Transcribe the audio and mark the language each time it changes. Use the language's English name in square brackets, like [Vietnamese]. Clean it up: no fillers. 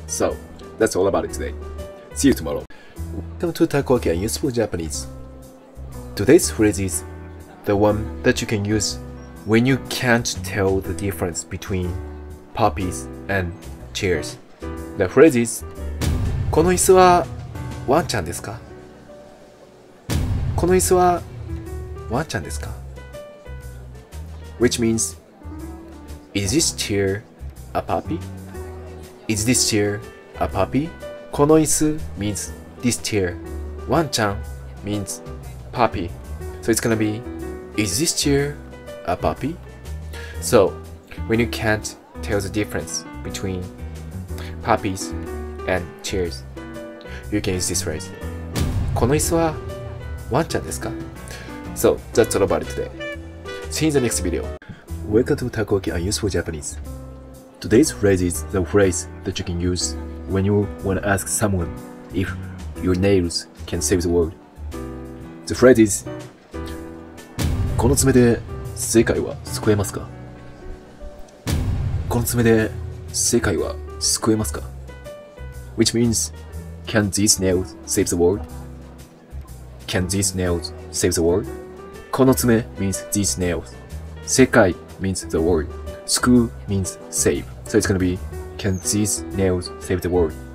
[English] So that's all about it today. See you tomorrow. Welcome to Takoyaki and Useful Japanese. Today's phrase is the one that you can useWhen you can't tell the difference between puppies and chairs. The phrase is [Japanese] この椅子はワンちゃんですか?この椅子はワンちゃんですか? [English] Which means Is this chair a puppy? Is this chair a puppy? この椅子 means this chair. ワンちゃん means puppy. So it's gonna be Is this chaira puppy? So, when you can't tell the difference between puppies and chairs, you can use this phrase. [Japanese] この椅子はワンちゃんですか? [English] So, that's all about it today. See you in the next video. Welcome to Takoyaki and Useful Japanese. Today's phrase is the phrase that you can use when you want to ask someone if your nails can save the world. The phrase is [Japanese] この爪で世界は救えますか? この爪で世界は救えますか? [English] Which means, can these nails save the world? Can these nails save the world? この爪 means these nails. 世界 means the world. 救う means save. So it's gonna be, can these nails save the world?